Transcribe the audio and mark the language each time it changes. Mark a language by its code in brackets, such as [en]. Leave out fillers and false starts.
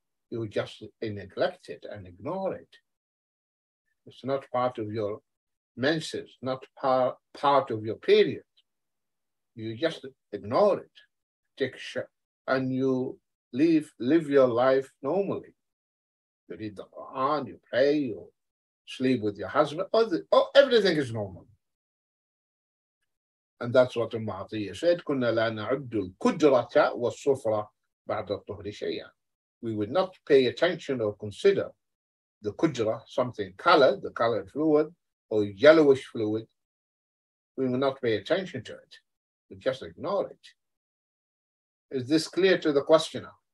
[en] You just neglect it and ignore it. It's not part of your menses, not part of your period. You just ignore it, take a shower, and you live your life normally. You read the Quran, you pray, you sleep with your husband, everything is normal. And that's what Umar said, [ar] كُنَّا لَا نَعُدُّ الْكُدْرَةَ وَالصُّفْرَ بَعْدَ الطُّهْرِ شَيْئًا. [en] We would not pay attention or consider the kudra, something colored, the colored fluid, or yellowish fluid. We would not pay attention to it. Just ignore it. Is this clear to the questioner?